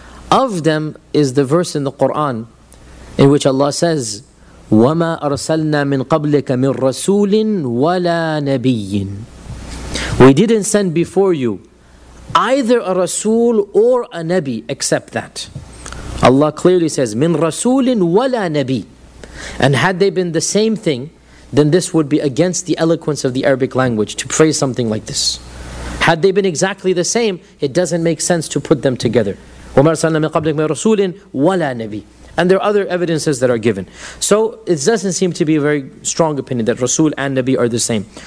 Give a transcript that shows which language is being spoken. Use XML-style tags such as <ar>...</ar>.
<en>Of them is the verse in the Quran in which Allah says,</en> <ar>وَمَا أَرْسَلْنَا مِنْ قَبْلِكَ مِنْ رَسُولٍ وَلَا نَبِيٍّ.</ar> <en>We didn't send before you either a Rasul or a Nabi except that. Allah clearly says,</en> <ar>مِنْ رَسُولٍ وَلَا نَبِيٍّ.</ar> <en>And had they been the same thing, then this would be against the eloquence of the Arabic language to phrase something like this. Had they been exactly the same, it doesn't make sense to put them together.</en> <ar>وَمَا أَرْسَلْنَا مِنْ قَبْلِكَ مِنْ رَسُولٍ وَلَا نَبِيٍّ.</ar> <en>And there are other evidences that are given. So it doesn't seem to be a very strong opinion that Rasul and Nabi are the same.</en>